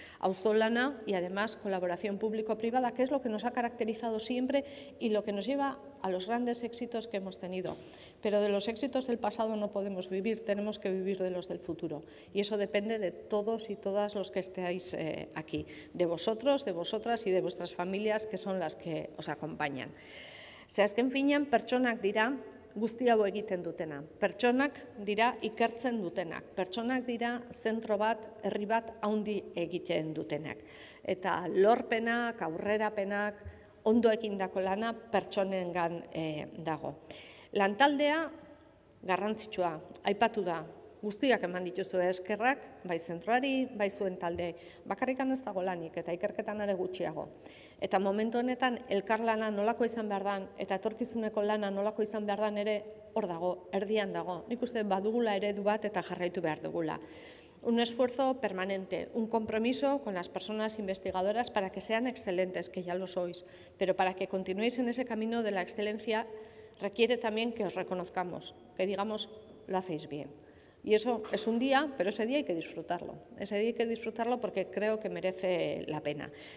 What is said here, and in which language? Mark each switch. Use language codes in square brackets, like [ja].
[es] Auzolana y además colaboración público-privada, que es lo que nos ha caracterizado siempre y lo que nos lleva a los grandes éxitos que hemos tenido. Pero de los éxitos del pasado no podemos vivir, tenemos que vivir de los del futuro. Y eso depende de todos y todas los que estéis aquí, de vosotros, de vosotras y de vuestras familias, que son las que os acompañan. Si es que en fin, en personas dirán, [eu] guzti hau egiten dutena. Pertsonak dira ikertzen dutenak, pertsonak dira zentro bat, herri bat haundi egiten dutenak. Eta lorpenak, aurrerapenak, ondo ekindako lana pertsonengan dago. Lantaldea garrantzitsua, aipatu da. Guztiak eman dituzu eskerrak, bai zentroari, bai zuen talde, bakarrikan ez dago lanik eta ikerketan ere gutxiago. Eta momentu honetan elkarlana nolako izan behar dan eta etorkizuneko lana nolako izan behar dan ere hor dago, erdian dago. Nik uste badugula eredu bat eta jarraitu behar dugula. [es] Un esfuerzo permanente, un compromiso con las personas investigadoras para que sean excelentes, que ya lo sois, pero para que continuéis en ese camino de la excelencia requiere también que os reconozcamos, que digamos lo hacéis bien. Y eso es un día, pero ese día hay que disfrutarlo. Ese día hay que disfrutarlo porque creo que merece la pena.